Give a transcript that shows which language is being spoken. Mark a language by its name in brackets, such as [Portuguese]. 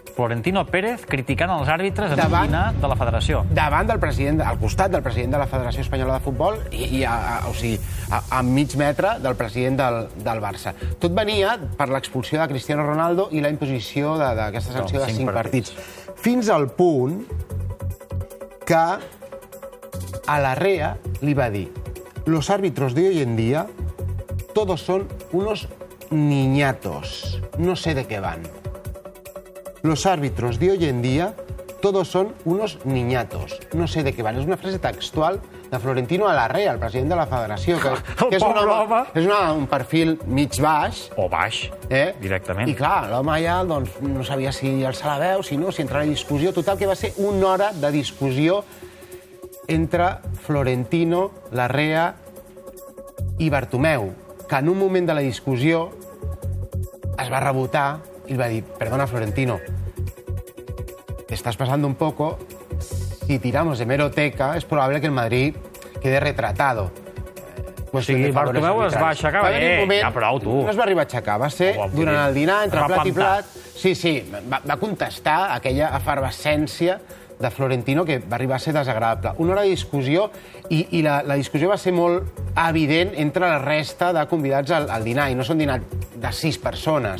[Catalan] Florentino Pérez criticant els àrbitres en un dinar de la federació. Davant del president, al costat del president de la Federació Espanyola de Futbol i a mig metre del president del Barça. Tot venia per l'expulsió de Cristiano Ronaldo i la imposició d'aquesta sanció de 5 partits. Fins al punt que a Larrea li va dir: [Spanish] los árbitros de hoy en día todos son unos niñatos. No sé de qué van. Los árbitros de hoy en día todos son unos niñatos. No sé de qué van. [Catalan] És una frase textual de Florentino Larrea, el president de la federació. Que és un home... És un perfil mig baix. O baix, directament. I clar, l'home ja doncs, no sabia si alçar la veu, si no, si entrar a la discussió. Total, que va ser una hora de discussió entre Florentino Larrea i Bartomeu, que en un moment de la discussió es va rebotar i va dir: [Spanish] perdona, Florentino, estás pasando un poco. Si tiramos de meroteca, es probable que el Madrid quede retratado. Pues sí, [Catalan] Bartomeu es va aixecar. Va venir un moment, ja, prou, tu. No es va arribar a aixecar, va ser durant el dinar, entre replantar. Plat i plat. Sí, va contestar aquella efervescència de Florentino que va arribar a ser desagradable. Una hora de discussió i la discussió va ser molt evident entre la resta de convidats al dinar, i no són dinar de 6 persones.